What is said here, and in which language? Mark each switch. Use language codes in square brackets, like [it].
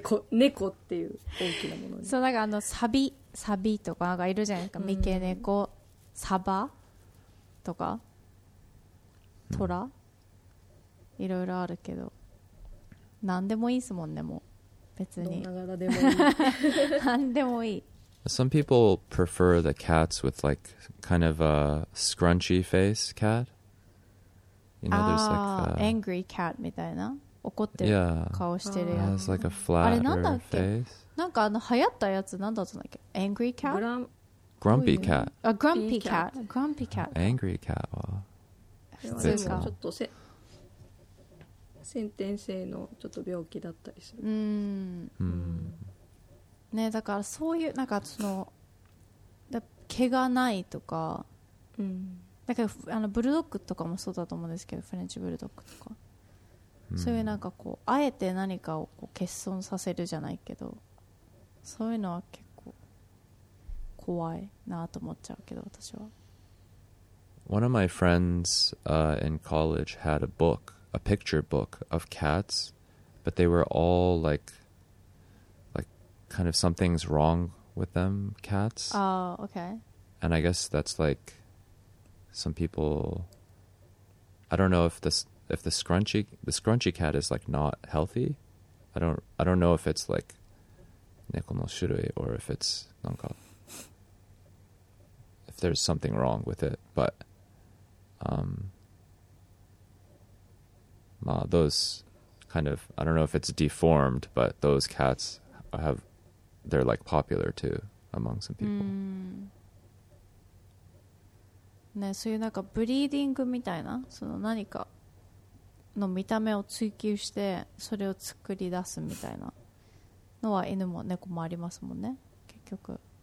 [ja] 猫っていう大きなものに、そうなんかあのサビとかがいるじゃないですか、三毛猫、サバとかトラ、いろいろあるけど何でもいいですもんね、もう別にどんな柄でもいい。何でもいい。 [en] Some people prefer the cats with like kind of a scrunchy face cat, you know, there's like the angry cat [ja] みたいな怒ってる顔してるやつ、 [en] yeah. like、 [ja] あれなんだっけ、なんかあの流行ったやつなんだったんだっけ、 Angry Cat? [en] Grumpy Cat、あ、Grumpy Cat、 Grumpy Cat、 [ja] Angry Cat は普通か、ちょっと先天性のちょっと病気だったりする、うん、ね、だからそういうなんかその毛がないとか、うん、だからあのブルドッグとかもそうだと思うんですけど、フレンチブルドッグとかそういうなんかこうあえて何かをこう欠損させるじゃないけど、そういうのは結構怖いなと思っちゃうけど私は。 [en] One of my friends、in college had a book, a picture book of cats, but they were all like kind of something's wrong with them cats. Oh, okay. And I guess that's like some people. I don't know if this. If the scrunchy cat is like not healthy, I don't know if it's like [ja] 猫の種類 [en] or if it's なんか if there's something wrong with it, but まあ those kind of I don't know if it's deformed, but those cats have they're like popular too among some people. [ja] ね、そういうなんかブリーディングみたいなその何かの見た目を追求してそれを作り出すみたいなのは犬も猫もありますもんね結局。